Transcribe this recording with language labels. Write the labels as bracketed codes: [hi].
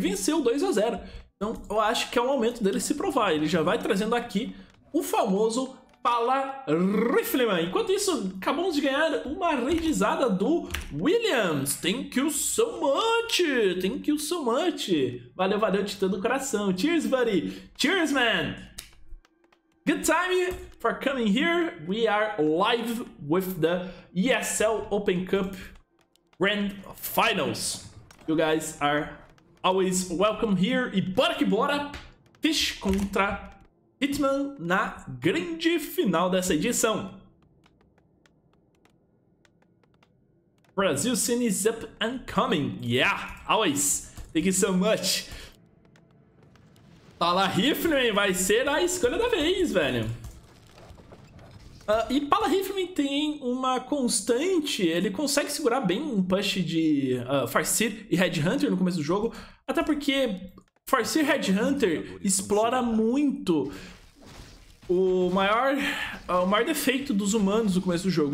[pt] Venceu 2-0. Então eu acho que é o momento dele se provar. Ele já vai trazendo aqui o famoso Pala Rifleman. Enquanto isso, acabamos de ganhar uma raidizada do Williams. [en] Thank you so much! Thank you so much! [pt] Valeu, valeu, titã do coração. [en] Cheers, buddy! Cheers, man! Good time for coming here. We are live with the ESL Open Cup Grand Finals. You guys are always welcome here. [pt] E bora que bora! Fish contra Hitman na grande final dessa edição. [en] Brazil Cine is up and coming. Yeah, always. Thank you so much. [pt] Pala Rifleman vai ser a escolha da vez, velho. E Pala Rifleman tem uma constante. Ele consegue segurar bem um push de Farseer e Headhunter no começo do jogo. Até porque Farseer e Headhunter explora muito o maior defeito dos humanos no começo do jogo.